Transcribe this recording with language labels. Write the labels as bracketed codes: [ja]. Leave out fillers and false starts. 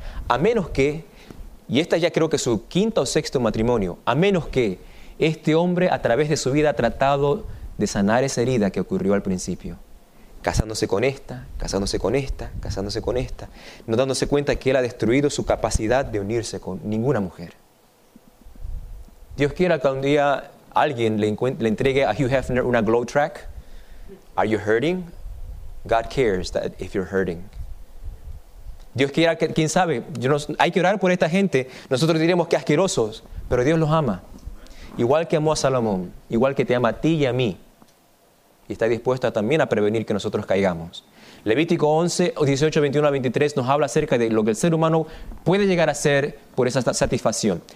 [es] A menos que, y esta ya creo que es su quinto o sexto matrimonio, a menos que este hombre a través de su vida ha tratado de sanar esa herida que ocurrió al principio. Casándose con esta, casándose con esta, casándose con esta, no dándose cuenta que él ha destruido su capacidad de unirse con ninguna mujer. Dios quiera que un día alguien le entregue a Hugh Hefner una glow track. [en] Are you hurting? God cares that if you're hurting. [es] Dios quiera, quién sabe, hay que orar por esta gente. Nosotros diremos que asquerosos, pero Dios los ama. Igual que amó a Salomón, igual que te ama a ti y a mí. Y está dispuesto también a prevenir que nosotros caigamos. Levítico 11, 18, 21 a 23 nos habla acerca de lo que el ser humano puede llegar a hacer por esa satisfacción.